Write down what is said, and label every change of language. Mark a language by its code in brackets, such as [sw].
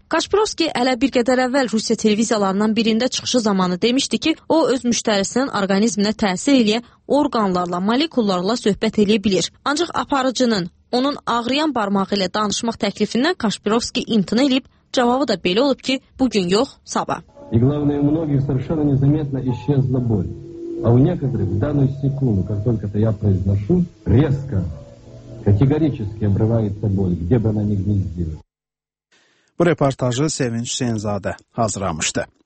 [az] Kaşpirovski hələ bir qədər əvvəl Rusiya televiziyalarından birində çıxışı zamanı demişdi ki, o öz müştərisinin orqanizminə təsir eləyə orqanlarla, molekullarla söhbət eləyə bilir. Ancaq aparıcının onun ağrıyan barmağı ilə danışmaq təklifindən Kaşpirovski imtina eləyib, cavabı da belə olub ki, bugün yox, sabah. [ru] И главное, у многих совершенно незаметно исчезла боль. А у некоторых в данную секунду, как только это я произношу, резко, категорически обрывается боль, где бы она ни гнездилась. [az] Bu reportajı Sevinç Hüseynzadə hazırlamışdı.